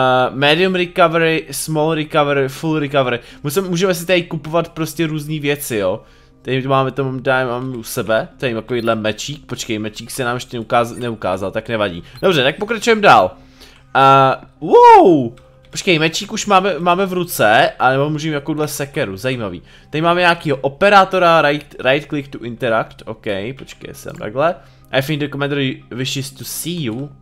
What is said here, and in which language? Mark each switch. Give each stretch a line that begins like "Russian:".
English: Medium recovery, small recovery, full recovery.
Czech: Můžeme si tady kupovat prostě různé věci, jo. Tady máme to, mám u sebe. Tady mám takovýhle mečík. Počkej, mečík se nám ještě neukázal, tak nevadí. Dobře, tak pokračujeme dál. Wow! Počkej, mečík už máme v ruce, anebo můžeme jakouhle sekeru, zajímavý. Tady máme nějakýho operátora,
English: right click to interact.
Czech: OK, počkej, jsem takhle.
English: I think the commander wishes to see you.